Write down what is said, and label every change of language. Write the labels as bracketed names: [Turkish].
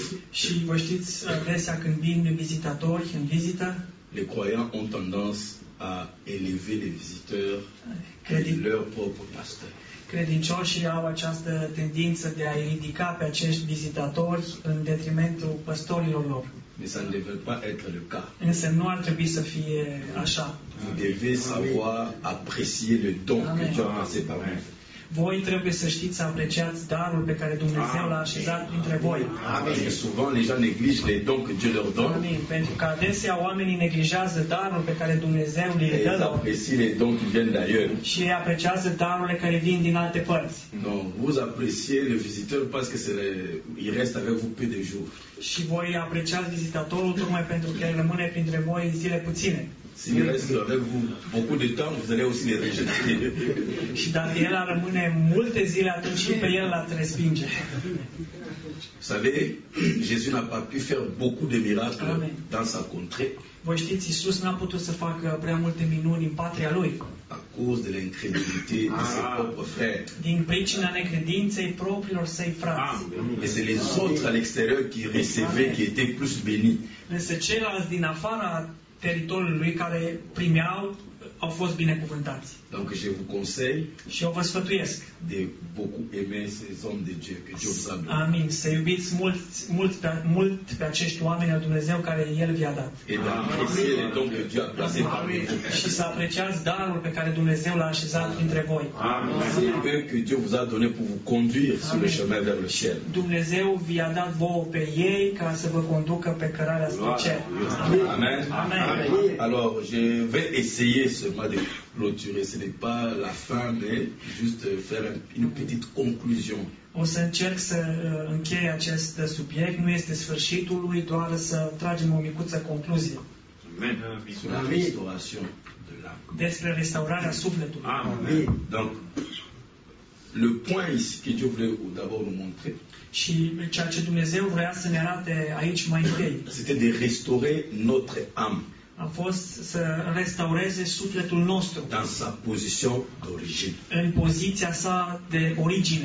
[Romanian] Și vă știți, adesea când vin vizitatori în vizită, [French] les croyants ont tendance à élever les visiteurs de leur propre pasteur. [Romanian] Credincioșii au această tendință de a ridica pe acești vizitatori în detrimentul păstorilor lor. [French] Mais ça ne devrait pas être le cas. [Romanian] Însă nu ar trebui să fie așa. [French] Vous devez savoir apprécier le don que Dieu a placé par vous. [Romanian] Voi trebuie să știți să apreciați darul pe care Dumnezeu l-a așezat printre voi. Amen. [French] Souvent les gens négligent les dons que Dieu leur donne. Amen. [Romanian] Pentru că adesea oamenii neglijează darul pe care Dumnezeu le dă. [French] Ils apprécient les dons qui viennent d'ailleurs. [Romanian] Și ei apreciază darurile care vin din alte părți. [French] Non, vous appréciez le visiteur parce que il reste avec vous peu de jours. [Romanian] Și voi apreciați vizitatorul tocmai pentru că el rămâne printre voi zile puține. [French] S'il reste avec vous beaucoup de temps, vous allez aussi les rejeter. [Romanian] Și dacă el rămâne multe zile, atunci și pe el l-a respinge. [French] Vous savez, Jésus n'a pas pu faire beaucoup de miracles dans sa contrée. [Romanian] Voi știți, Iisus n-a putut să facă prea multe minuni în patria lui. [French] À cause de l'incrédulité de ses propres frères. [Romanian] Din pricina necredinței propriilor săi frați. [French] Et c'est les autres à l'extérieur qui recevaient, qui étaient plus bénis. [Romanian] Însă ceilalți din afara teritoriul lui care primeau au fost binecuvântați. [French] Donc je vous conseille. [Romanian] Și eu vă sfătuiesc. [French] De beaucoup aimer ces hommes de Dieu que Dieu vous a donné. Amin. [Romanian] Să iubiți mult pe acești oameni al Dumnezeu care El vi-a dat. [French] Et d'apprécier les dons que Dieu a placés par vous. [Romanian] Și să apreciați darul pe care Dumnezeu l-a așezat între voi. Amin. [French] C'est eux que Dieu vous a donné pour vous conduire sur le chemin vers le ciel. [Romanian] Dumnezeu vi-a dat vouă pe ei ca să vă conducă pe cărarea spre cer. Amen. Amen. [French] Alors, je vais essayer ce mois de clôturer, ce n'est pas la fin, mais juste faire une petite conclusion. [Romanian] O să încerc să închei acest subiect, nu este sfârșitul lui, doar să tragem o micuță concluzie. [French] Sur la restauration de l'âme. [Romanian] Despre restaurarea sufletului. Amen. [French] Donc, le point ici que Dieu voulait d'abord nous montrer. [Romanian] Și ceea ce Dumnezeu vrea să ne arate aici mai întâi. [French] C'était de restaurer notre âme. [Romanian] A fost să restaureze sufletul nostru. [French] Dans sa position d'origine. [Romanian] În poziția sa de origine.